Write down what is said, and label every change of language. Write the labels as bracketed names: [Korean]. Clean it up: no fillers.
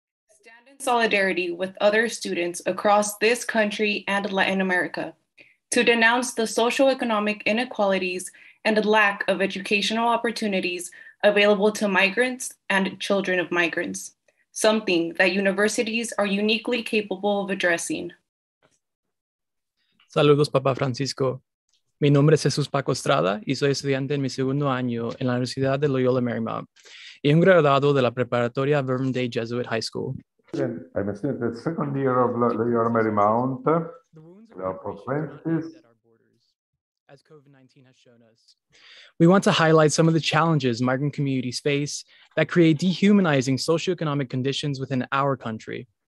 [English] Stand in solidarity with other students across this country and Latin America to denounce the socioeconomic inequalities and lack of educational opportunities available to migrants and children of migrants, something that universities are uniquely capable of addressing. [Spanish] Saludos, Papa Francisco. Mi nombre es Jesús Paco Estrada y soy estudiante en mi segundo año en la Universidad de Loyola Marymount y un graduado de la preparatoria Vernon Day Jesuit High School. [English] I'm a student in the second year of Loyola Marymount. As COVID-19 has shown us, we want to highlight some of the challenges migrant communities face that create dehumanizing socioeconomic conditions within our country.